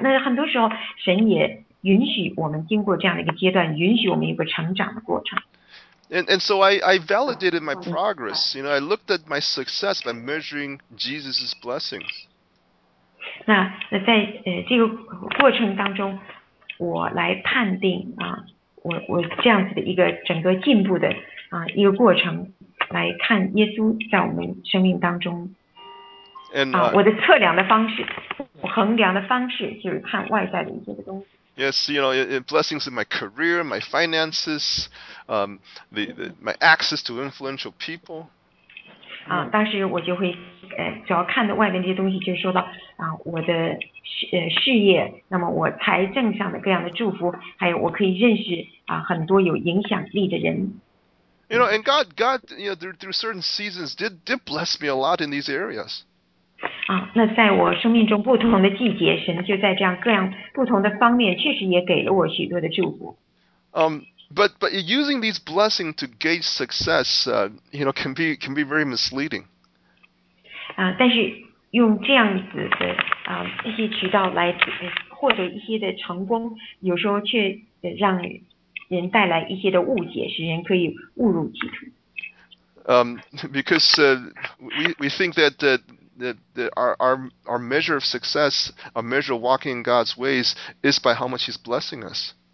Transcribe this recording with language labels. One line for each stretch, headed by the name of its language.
Chinese: 那很多时候，神也允许我们经过这样的一个阶段，允许我们有个成长的过程。
English: And so I validated my progress. You know, I looked at my success by measuring Jesus's blessings.
Chinese: 那在这个过程当中，我来判定我这样子的一个整个进步的一个过程，来看耶稣在我们生命当中
English: And
Chinese: 我的测量的方式，我衡量的方式就是看外在的一些的东西。
English: Yes, you know, blessings in my career, my finances, my access to influential people.
Chinese: 啊，当时我就会，主要看的外面这些东西，就是说到啊，我的事业，那么我财政上的各样的祝福，还有我可以认识啊很多有影响力的人。
English: You know, and God, you know, through certain seasons, did bless me a lot in these areas.
Chinese: 啊，那在我生命中不同的季节，神就在这样各样不同的方面，确实也给了我许多的祝福。
English: But using these blessings to gauge success, you know, can be very misleading.
Chinese: 啊，但是用这样子的啊一些渠道来获得一些的成功，有时候却让人带来一些的误解，使人可以误入歧途。
English: Because we think that our measure of success, our measure of walking in God's ways, is by how much He's blessing us.